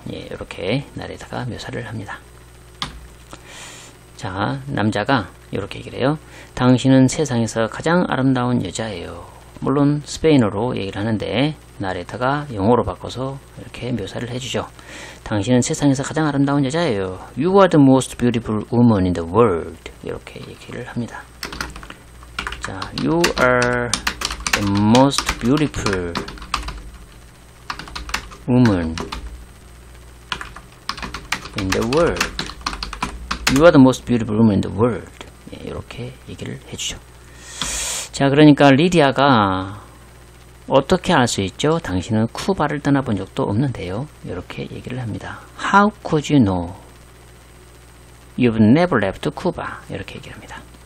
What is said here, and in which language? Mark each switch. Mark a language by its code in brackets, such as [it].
[ko] 예, 이렇게 날에다가 묘사를 합니다. 자, 남자가 이렇게 얘기를 해요. 당신은 세상에서 가장 아름다운 여자예요. 물론 스페인어로 얘기를 하는데 나레타가 영어로 바꿔서 이렇게 묘사를 해주죠. 당신은 세상에서 가장 아름다운 여자예요. [en] You are the most beautiful woman in the world. [ko] 이렇게 얘기를 합니다. [en] 자, You are the most beautiful woman in the world. You are the most beautiful woman in the world. [ko] 이렇게 얘기를 해주죠. 자, 그러니까 리디아가 어떻게 알 수 있죠? 당신은 쿠바를 떠나본 적도 없는데요. 이렇게 얘기를 합니다. [en] How could you know? You've never left Cuba. 이렇게 얘기를 합니다.